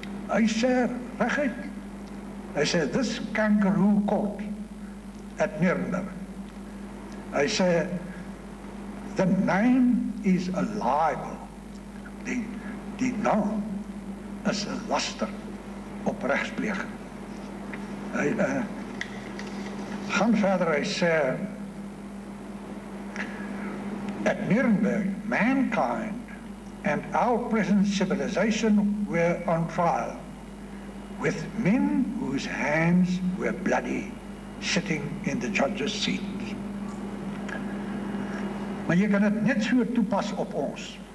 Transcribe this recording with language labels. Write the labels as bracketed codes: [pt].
[af] Hy sê, reguit, hy sê, [en] this kangaroo court at Nuremberg. [af] Hy sê, [en] the name is a libel. [af] Die naam is 'n laster op regspleging. Hy gaan verder, hy sê, [en] at Nuremberg, mankind and our present civilization were on trial with men whose hands were bloody sitting in the judge's seat. [af] Maar jy kan dit net so toepas op ons.